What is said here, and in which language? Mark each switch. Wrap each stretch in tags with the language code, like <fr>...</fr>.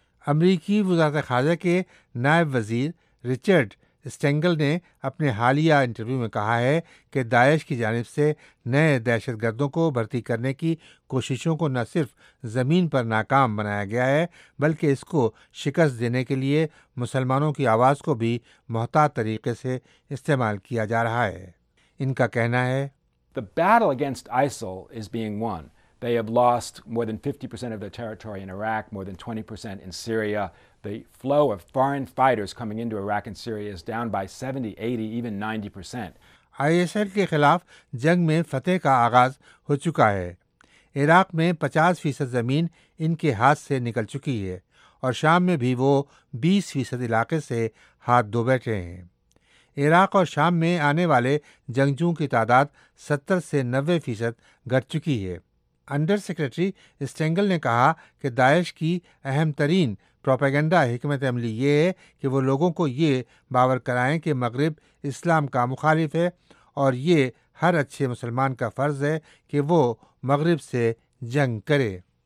<ur>امریکی وزارت خارجہ کے نائب وزیر ریچرڈ اسٹینگل نے اپنے حالیہ انٹرویو میں کہا ہے کہ داعش کی جانب سے نئے دہشت گردوں کو بھرتی کرنے کی کوششوں کو نہ صرف زمین پر ناکام بنایا گیا ہے بلکہ اس کو شکست دینے کے لیے مسلمانوں کی آواز کو بھی محتاط طریقے سے استعمال کیا جا رہا ہے۔ ان کا کہنا ہے</ur> <en>The battle against ISIL is being won. They have lost more than 50% of their territory in Iraq, more than 20% in Syria. The flow of foreign fighters coming into Iraq and Syria is down by 70, 80, even 90%.</en> <ur>ISIL کے خلاف جنگ میں فتح کا آغاز ہو چکا ہے۔ عراق میں 50% زمین ان کے ہاتھ سے نکل چکی ہے، اور شام میں بھی وہ 20% علاقے سے ہاتھ دھو بیٹھے ہیں۔ عراق اور شام میں آنے والے جنگجوؤں کی تعداد 70-90% گھٹ چکی ہے۔ انڈر سیکرٹری اسٹینگل نے کہا کہ داعش کی اہم ترین پروپیگنڈا حکمت عملی یہ ہے کہ وہ لوگوں کو یہ باور کرائیں کہ مغرب اسلام کا مخالف ہے، اور یہ ہر اچھے مسلمان کا فرض ہے کہ وہ مغرب سے جنگ کرے۔</ur>